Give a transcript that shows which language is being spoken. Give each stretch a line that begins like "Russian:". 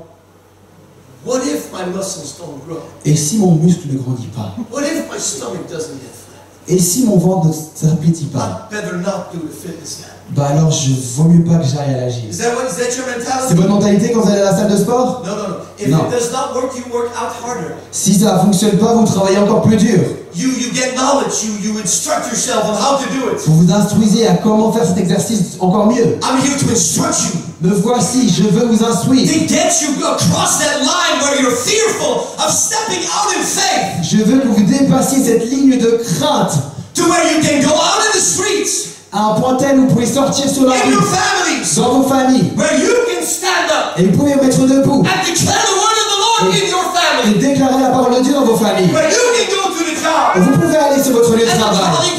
English: what if my muscles don't grow?
French: Et si mon muscle ne grandit pas?
English: What if my stomach doesn't get fat?
French: Et si mon ventre ne s'appétit pas?
English: I better not do the fitness yet.
French: Bah alors, je vaut mieux pas que j'aille à la gym.
English: Is that your mentality?
French: C'est votre mentalité quand vous allez à la salle de sport?
English: No. If it does not work, you work out harder.
French: Si ça ne fonctionne pas, vous travaillez encore plus dur.
English: You get knowledge. You instruct yourself on how to do it.
French: Vous vous instruisez à comment faire cet exercice encore mieux.
English: I'm here to instruct you.
French: Me voici, je veux vous instruire.
English: To get you across that line where you're fearful of stepping out in faith.
French: Je veux que vous dépassiez cette ligne de crainte.
English: To where you can go out in the streets.
French: À un point tel où vous pouvez sortir sur la
English: in
French: rue.
English: Your families,
French: dans vos familles.
English: Where you can stand up.
French: Et vous pouvez vous mettre debout.
English: And declare the word of the Lord in your family.
French: Et déclarer la parole de Dieu dans vos familles.
English: Where you can go to the job.
French: Et vous pouvez aller sur votre lieu de travail.